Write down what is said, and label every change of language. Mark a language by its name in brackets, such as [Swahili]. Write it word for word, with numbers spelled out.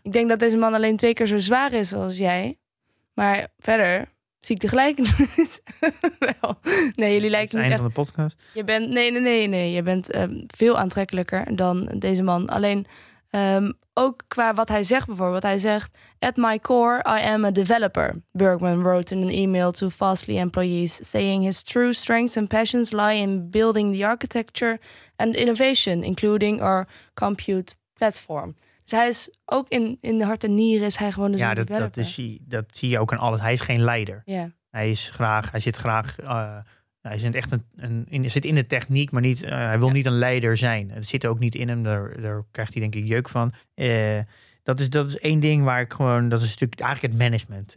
[Dutch] Ik denk dat deze man alleen twee keer zo zwaar is als jij. Maar verder zie ik de gelijkenis wel. Nee, jullie lijken niet eind echt van de podcast. Je bent, nee, nee, nee, nee. Je bent um, veel aantrekkelijker dan deze man. Alleen um, ook qua wat hij zegt bijvoorbeeld. Hij zegt, [English] at my core, I am a developer. Bergman wrote in an email to Fastly employees, saying his true strengths and passions lie in building the architecture and innovation, including our compute platform. [Dutch] Dus hij is ook in, in de hart en nieren is hij gewoon dus ja, een dat, developer. Dat, is, dat zie je ook in alles. Hij is geen leider. [English] Yeah. [Dutch] Hij is graag, hij zit graag, uh, hij zit echt een, een in, zit in de techniek, maar niet, uh, hij wil ja. niet een leider zijn. Het zit ook niet in hem, daar, daar krijgt hij denk ik jeuk van. Uh, dat, is, dat is één ding waar ik gewoon, dat is natuurlijk eigenlijk het management.